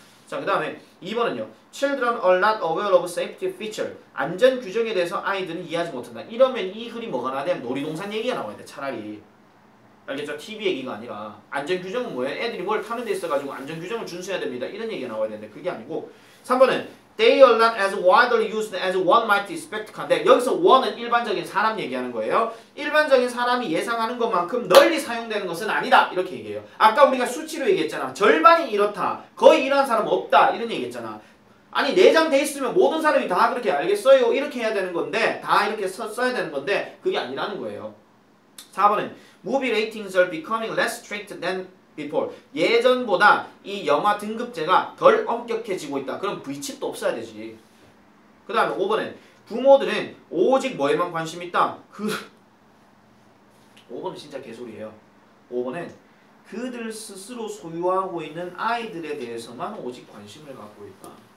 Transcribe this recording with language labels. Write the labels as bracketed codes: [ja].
[ko] 자, 그 다음에 2번은요. [en] Children are not aware of safety feature. [ko] 안전 규정에 대해서 아이들은 이해하지 못한다. 이러면 이 글이 뭐가 나와야 돼? 놀이동산 얘기가 나와야 돼, 차라리. 알겠죠? TV 얘기가 아니라. 안전 규정은 뭐예요? 애들이 뭘 타는 데 있어가지고 안전 규정을 준수해야 됩니다. 이런 얘기가 나와야 되는데 그게 아니고. 3번은 [en] They are not as widely used as one might expect. [ko] 근데 여기서 one은 일반적인 사람 얘기하는 거예요. 일반적인 사람이 예상하는 것만큼 널리 사용되는 것은 아니다. 이렇게 얘기해요. 아까 우리가 수치로 얘기했잖아. 절반이 이렇다. 거의 이런 사람 없다. 이런 얘기했잖아. 아니 내장돼 있으면 모든 사람이 다 그렇게 알겠어요. 이렇게 해야 되는 건데 다 이렇게 써야 되는 건데 그게 아니라는 거예요. 4번은 [en] movie ratings are becoming less strict than before. [ko] 예전보다 이 영화 등급제가 덜 엄격해지고 있다. 그럼 V칩도 없어야 되지. 그 다음에 5번에 부모들은 오직 뭐에만 관심이 있다. 그 5번은 진짜 개소리예요. 5번은 그들 스스로 소유하고 있는 아이들에 대해서만 오직 관심을 갖고 있다.